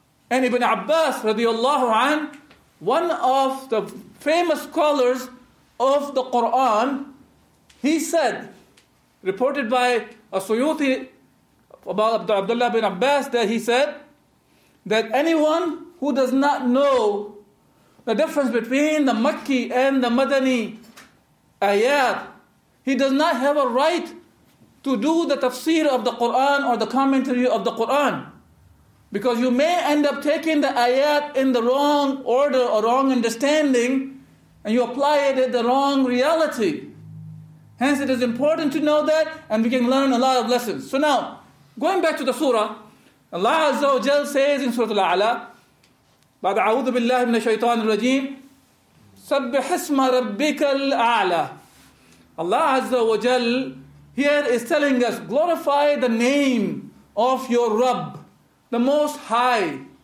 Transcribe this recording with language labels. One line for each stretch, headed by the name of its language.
English: And Ibn Abbas radiallahu an, one of the famous scholars of the Quran, he said, reported by a Suyuti about Abdullah bin Abbas, that he said that anyone who does not know the difference between the Makki and the Madani ayat, he does not have a right to do the tafsir of the Quran or the commentary of the Quran. Because you may end up taking the ayat in the wrong order or wrong understanding, and you apply it in the wrong reality. Hence it is important to know that, and we can learn a lot of lessons. So now, going back to the surah, Allah Azza wa Jal says in Surah Al A'la,
Arabic: بعد أعوذ بالله من الشيطان الرجيم سبح اسم ربك الأعلى.
English: Allah Azza wa Jal here is telling us, glorify the name of your Rabb, the Most High.